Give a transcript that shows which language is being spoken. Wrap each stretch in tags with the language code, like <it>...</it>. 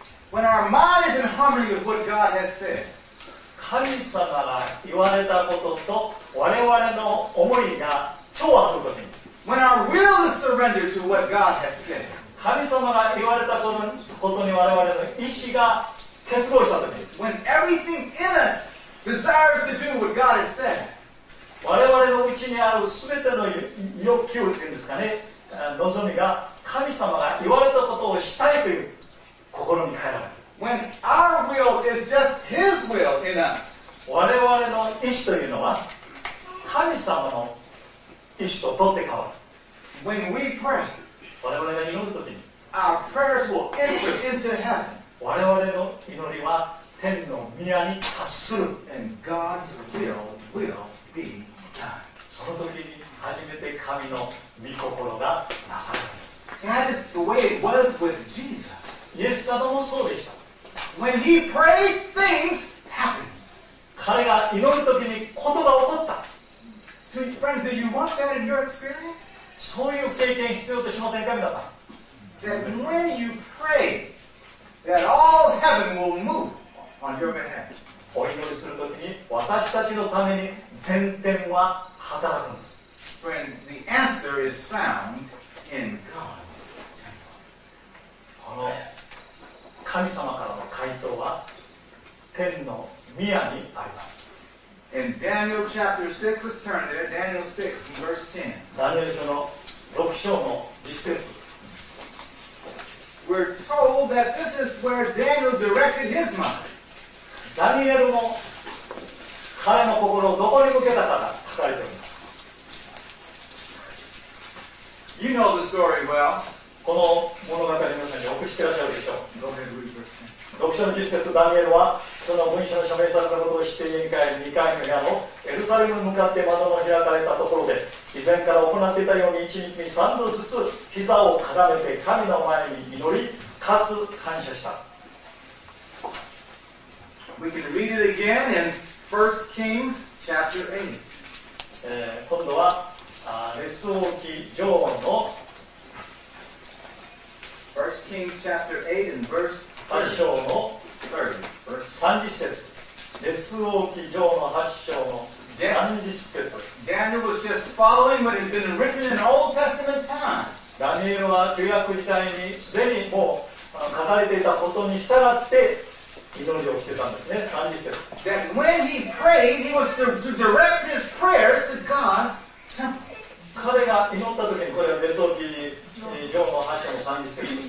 <en>When our mind is in harmony with what God has. has said.</en> <ja>神様が言われたことと我々の思いが調和することに。</ja> <en>When our will is surrendered to what God has said.</en> <ja>神様が言われたことに我々の意志が結合したときに。</ja> <en>When everything in us desires to do what God has said.</en> <ja>我々のうちにあるすべての欲求というんですかね、望みが神様が言われたことをしたいという心に変えられる。</ja> <en>When our will is just His will in us.</en> <ja>我々の意志というのは神様の意志と取って変わる。</ja> <en>When we pray,</en> <ja>我々が祈るときに、</ja> <en>our prayers will enter into heaven.</en> <ja>我々の祈りは天の宮に達する。</ja> <en>And God's will be done.</en> <ja>そのときに初めて神の御心がなされるんです。</ja> <en>That is the way it was with Jesus.</en> <ja>イエス様もそうでした。</ja> <en>When he prayed, things happened.</en> <ja>彼が祈るときにことが起こった。</ja> <en>Friends, do you want that in your experience?</en> <ja>そういう経験必要としませんか、皆さん。</ja> <en>That when you pray, that all heaven will move on your behalf.</en> <ja>お祈りするときに私たちのために全天は働くんです。</ja> <en>Friends, the answer is found in God's temple.</en> <ja>この神様からの回答は天の宮にあります。</ja> <en>In Daniel chapter 6, let's turn there. Daniel 6, verse 10.</en> <ja>ダニエル書の6章の実節。</ja> <en>We're told that this is where Daniel directed his mind.</en> <ja>ダニエルも彼の心をどこに向けたかが書かれています。</ja> <en>You know the story well.</en> <ja>この物語の皆さんによく知ってらっしゃるでしょう。読書の実節、ダニエルはその文書の署名されたことを知って家に帰り、2階の部屋のエルサレムに向かって窓の開かれたところで以前から行っていたように1日に3度ずつ膝をかがめて神の前に祈りかつ感謝した。</ja> <en>We can read it again in 1 Kings chapter 8、</en> <ja>今度は列王記上の</ja> <en>1 Kings chapter 8 and verse 30.</en> <ja>8章の30節。列王記上の8章の30節。</ja> <en>Daniel was just following what had been written in Old Testament time.</en> <ja>ダニエルは旧約時代にすでにもう書かれていたことに従って祈りをしてたんですね。 30節。</ja> <en>That when he prayed, he was to direct his prayers to God's temple.</en> <ja>彼が祈った時にこれは列王記上の8章の30節。</ja>